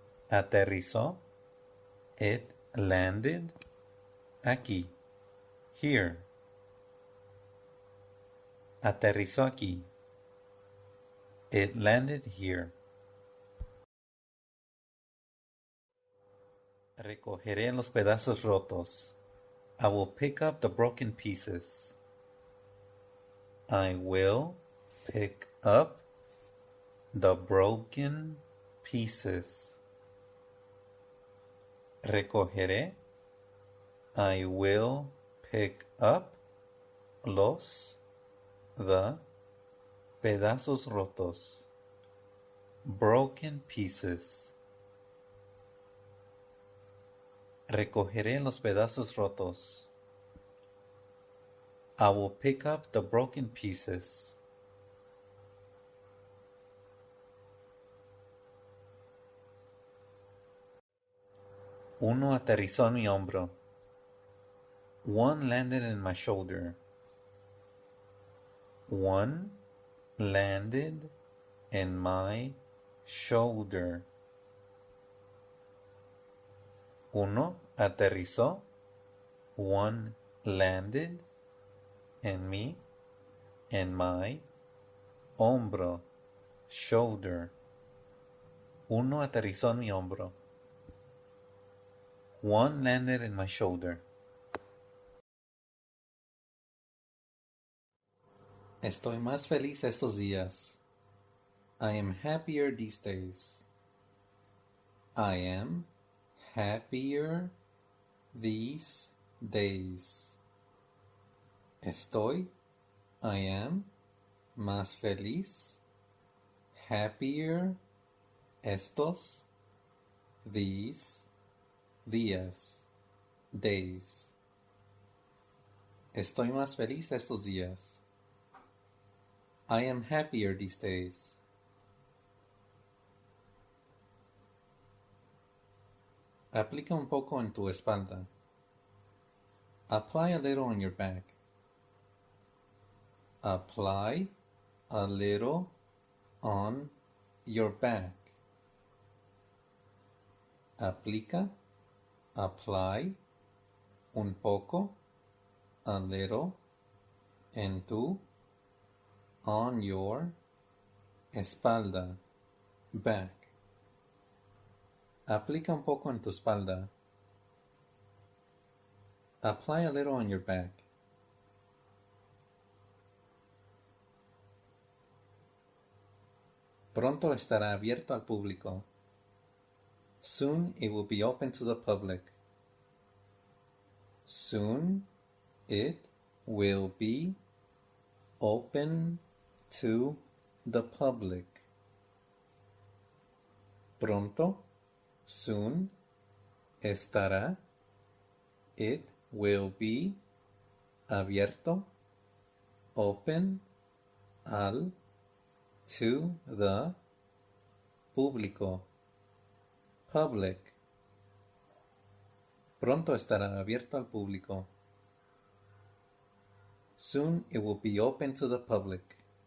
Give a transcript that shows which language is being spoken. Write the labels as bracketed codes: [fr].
[es] Aterrizó. [en] It landed [es] aquí. [en] Here. [es] Aterrizó aquí. [en] It landed here. [es] Recogeré los pedazos rotos. [en] I will pick up the broken pieces. I will pick up the broken pieces. [es] Recogeré. [en] I will pick up [es] los [en] the [es] pedazos rotos. [en] Broken pieces. [es] Recogeré los pedazos rotos. [en] I will pick up the broken pieces. [es] Uno aterrizó en mi hombro. [en] One landed in my shoulder. One landed in my shoulder. [es] Uno aterrizó. [en] One landed in me, in my [es] hombro, [en] shoulder. [es] Uno aterrizó en mi hombro. [en] One landed in my shoulder. [es] Estoy más feliz estos días. [en] I am happier these days. I am happier these days. [es] Estoy, [en] I am, [es] más feliz, [en] happier, [es] estos, [en] these, [es] días, [en] days. [es] Estoy más feliz estos días. [en] I am happier these days. [es] Aplica un poco en tu espalda. [en] Apply a little on your back. Apply a little on your back. [es] Aplica, [en] apply [es] un poco, [en] a little, [es] en tu, [en] on your, [es] espalda, [en] back. [es] Aplica un poco en tu espalda. [en] Apply a little on your back. [es] Pronto estará abierto al público. [en] Soon it will be open to the public. Soon it will be open to the public. [es] Pronto, [en] soon, [es] estará, [en] it will be [es] abierto, [en] open, [es] al, [en] to the [es] público, [en] public. [es] Pronto estará abierto al público. [en] Soon it will be open to the public.